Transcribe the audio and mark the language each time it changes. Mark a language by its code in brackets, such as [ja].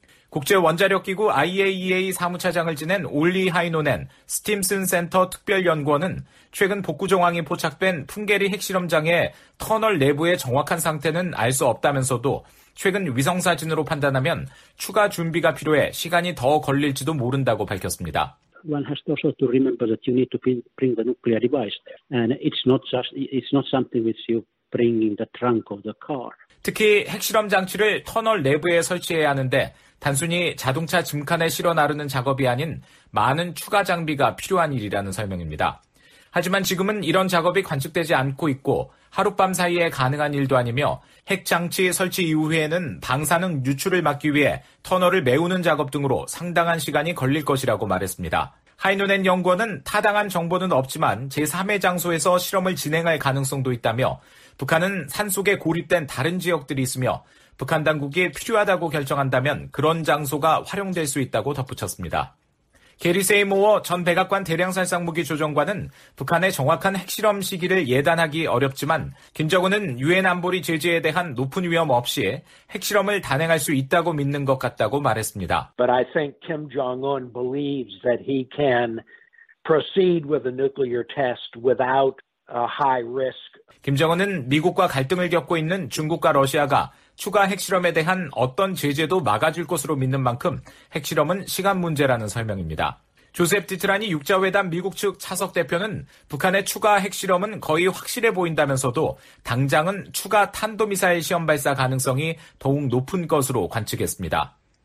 [ko] 국제원자력기구 IAEA 사무차장을 지낸 올리 하이노넨 스팀슨 센터 특별연구원은 최근 복구 정황이 포착된 풍계리 핵실험장의 터널 내부의 정확한 상태는 알 수 없다면서도 최근 위성사진으로 판단하면 추가 준비가 필요해 시간이 더 걸릴지도 모른다고 밝혔습니다. [en] One has also to remember that you need to bring the nuclear device and it's not something which you bring in the trunk of the car. [ko] 특히 핵실험 장치를 터널 내부에 설치해야 하는데 단순히 자동차 짐칸에 실어 나르는 작업이 아닌 많은 추가 장비가 필요한 일이라는 설명입니다. 하지만 지금은 이런 작업이 관측되지 않고 있고 하룻밤 사이에 가능한 일도 아니며 핵장치 설치 이후에는 방사능 유출을 막기 위해 터널을 메우는 작업 등으로 상당한 시간이 걸릴 것이라고 말했습니다. 하이노넨 연구원은 타당한 정보는 없지만 제3의 장소에서 실험을 진행할 가능성도 있다며 북한은 산속에 고립된 다른 지역들이 있으며 북한 당국이 필요하다고 결정한다면 그런 장소가 활용될 수 있다고 덧붙였습니다. 게리 세이모어 전 백악관 대량살상무기 조정관은 북한의 정확한 핵실험 시기를 예단하기 어렵지만 김정은은 유엔 안보리 제재에 대한 높은 위험 없이 핵실험을 단행할 수 있다고 믿는 것 같다고 말했습니다. [en] But I think Kim Jong-un believes that he can proceed with a nuclear test without a high risk. [ko] 김정은은 미국과 갈등을 겪고 있는 중국과 러시아가 추가 핵실험에 대한 어떤 제재도 막아줄 것으로 믿는 만큼 핵실험은 시간 문제라는 설명입니다. 조셉 디트라니 6자회담 미국 측 차석 대표는 북한의 추가 핵실험은 거의 확실해 보인다면서도 당장은 추가 탄도미사일 시험 발사 가능성이 더욱 높은 것으로 관측했습니다.